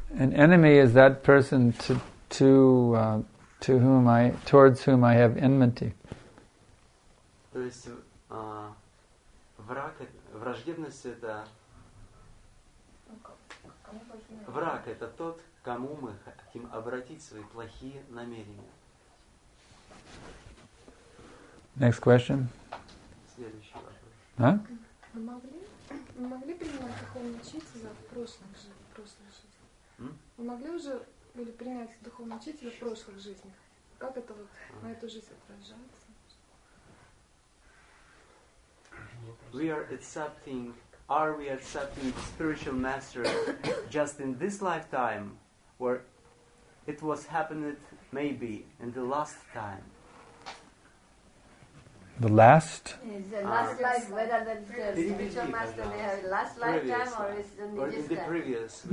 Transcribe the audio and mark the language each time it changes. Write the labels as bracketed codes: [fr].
[en] An enemy is that person towards whom I have enmity. [ru] То есть враг, враждебность это враг это тот, кому мы хотим обратить свои плохие намерения. [en] Next question. [ru] Следующий вопрос. А? Мы могли принимать духовную учителя в прошлых жизнях? Мы могли уже или принять духовного учителя в прошлых жизнях? Как это вот на эту жизнь отражается? [en] We are accepting are we accepting the spiritual master just in this lifetime, or it was happened maybe in the last time? The last? Whether the spiritual master, they have last lifetime, or is it in the previous?